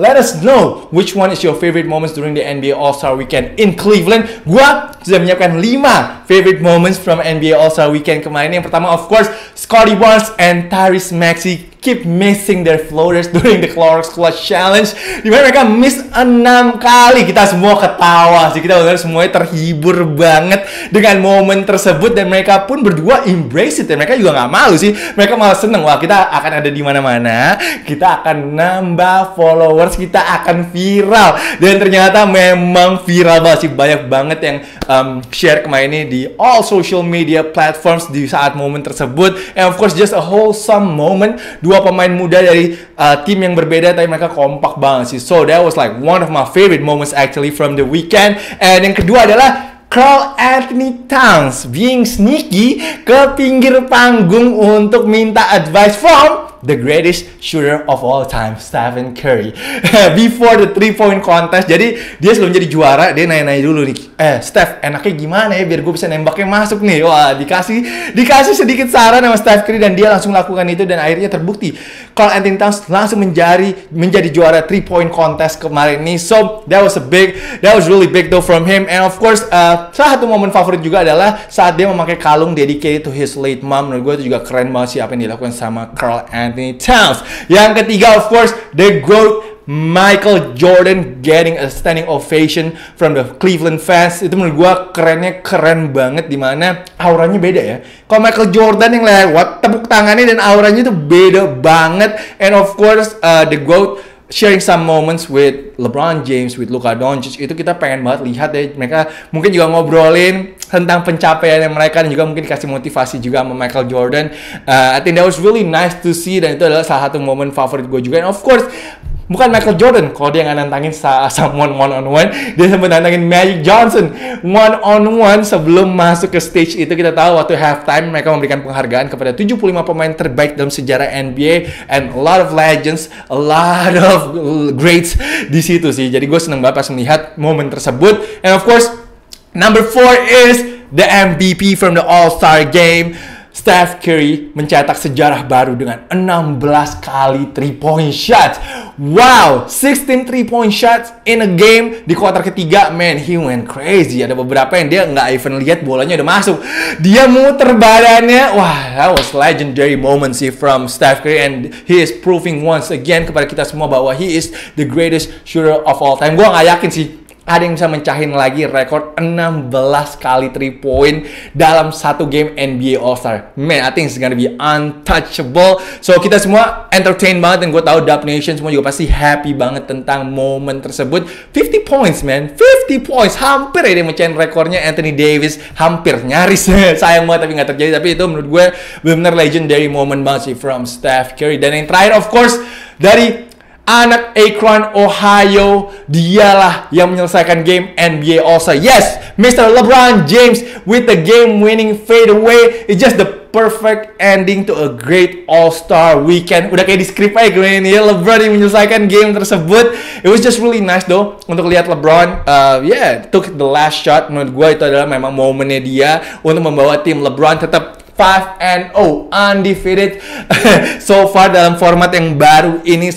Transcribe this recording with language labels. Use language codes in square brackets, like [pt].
[en] Let us know which one is your favorite moments during the NBA All-Star Weekend in Cleveland. [id] Gua sudah menyiapkan [en] 5 favorite moments from NBA All-Star Weekend kemarin. [id] Yang pertama, [en] of course, Scotty Barnes and Tyrese Maxey keep missing their floaters during the Clorox Clutch Challenge. [id] Dimana mereka miss 6 kali. Kita semua ketawa sih. Kita benar-benar semuanya terhibur banget dengan momen tersebut. Dan mereka pun berdua embrace it. Dan mereka juga gak malu sih. Mereka malah seneng. Wah, kita akan ada di mana-mana. Kita akan nambah followers. Kita akan viral. Dan ternyata memang viral banget sih. Banyak banget yang share kemarin ini di [en] all social media platforms [id] di saat momen tersebut. [en] And of course, just a wholesome moment. [id] Dua pemain muda dari tim yang berbeda, tapi mereka kompak banget sih. [en] So that was like one of my favorite moments actually from the weekend. And [id] yang kedua adalah [en] Karl Anthony Towns being sneaky [id] ke pinggir panggung untuk minta [en] advice from the greatest shooter of all time, Stephen Curry. Before the 3-point contest. [id] Jadi dia sebelum jadi juara, dia nanya-nanya dulu nih, Steph, enaknya gimana ya biar gue bisa nembaknya masuk nih. Wah, dikasih sedikit saran sama Steph Curry. Dan dia langsung lakukan itu. Dan akhirnya terbukti Karl Anthony Towns langsung menjadi juara 3-point contest kemarin nih. [en] So that was really big though from him. [id] And of course, salah satu momen favorit juga adalah saat dia memakai kalung [en] dedicated to his late mom. [id] Menurut gue itu juga keren banget sih apa yang dilakukan sama Karl Anthony Towns. Yang ketiga, [en] of course, the GOAT Michael Jordan getting a standing ovation from the Cleveland fans. [id] Itu menurut gue kerennya keren banget, dimana auranya beda ya. Kalau Michael Jordan yang lewat, tepuk tangannya dan auranya itu beda banget. [en] And of course, the GOAT sharing some moments with LeBron James, with Luka Doncic. [id] Itu kita pengen banget lihat deh. Mereka mungkin juga ngobrolin tentang pencapaian yang mereka, dan juga mungkin dikasih motivasi juga sama Michael Jordan. [en] I think that was really nice to see. [id] Dan itu adalah salah satu momen favorit gue juga. And of course, bukan Michael Jordan kalau dia yang nantangin [en] someone one on one. [id] Dia sempat nantangin Magic Johnson one on one sebelum masuk ke stage itu. Kita tahu waktu halftime mereka memberikan penghargaan kepada 75 pemain terbaik dalam sejarah NBA. [en] And a lot of legends, a lot of greats [id] di situ sih. Jadi gue seneng banget pas melihat momen tersebut. [en] And of course, number 4 is the MVP from the All-Star Game. [id] Steph Curry mencetak sejarah baru dengan 16 kali 3-point shots. [en] Wow, 16 3-point shots in a game [id] di kuarter ketiga. [en] Man, he went crazy. [id] Ada beberapa yang dia nggak even lihat bolanya udah masuk. Dia muter badannya. [en] Wah, that was legendary moment sih from Steph Curry. And he is proving once again [id] kepada kita semua bahwa [en] he is the greatest shooter of all time. [id] Gua nggak yakin sih ada yang bisa mencahin lagi rekor 16 kali 3 point dalam satu game NBA All-Star. [en] Man, I think it's gonna be untouchable. So, [id] kita semua [en] entertained banget. [id] Dan gue tahu Dub Nation semua juga pasti happy banget tentang momen tersebut. [en] 50 points, man. 50 points. [id] Hampir ya dia mencahin rekornya Anthony Davis. Hampir, nyaris. Sayang banget tapi gak terjadi. Tapi itu menurut gue benar-benar [en] legendary moment [id] banget sih from Steph Curry. Dan yang terakhir, of course, dari anak Akron, Ohio, dialah yang menyelesaikan game NBA All-Star. Yes, Mr. [en] LeBron James with the game-winning fadeaway. It's just the perfect ending to a great All-Star weekend. [id] Udah kayak di script aja gue ini ya, LeBron yang menyelesaikan game tersebut. [en] It was just really nice though [id] untuk lihat LeBron, [en] took the last shot. [id] Menurut gue itu adalah memang momennya dia untuk membawa tim LeBron tetap 5-0 undefeated so far dalam format yang baru ini.